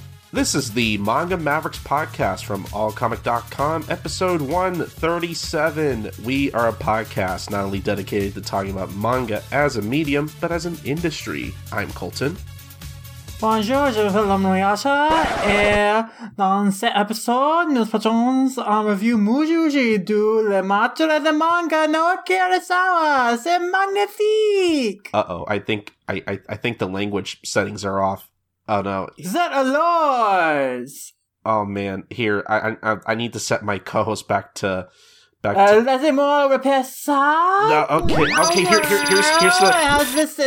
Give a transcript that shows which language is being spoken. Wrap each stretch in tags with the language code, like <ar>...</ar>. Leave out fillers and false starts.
<en>This is the Manga Mavericks podcast from allcomic.com, episode 137. We are a podcast not only dedicated to talking about manga as a medium, but as an industry. I'm Colton.</en> <fr>Bonjour, je vous fais la mariage. Et dans cet episode, nous faisons un review Mujuji du Le Maître de Manga no Kurosawa. C'est magnifique!</fr> <en>Uh-oh, I think the language settings are off. Oh no.</en> <fr>Zet Alors!</fr> <en>Oh man, here, I need to set my co-host back to...</en> <fr>Laissez-moi repair ça!</fr> <en>No, okay, here's the...</en>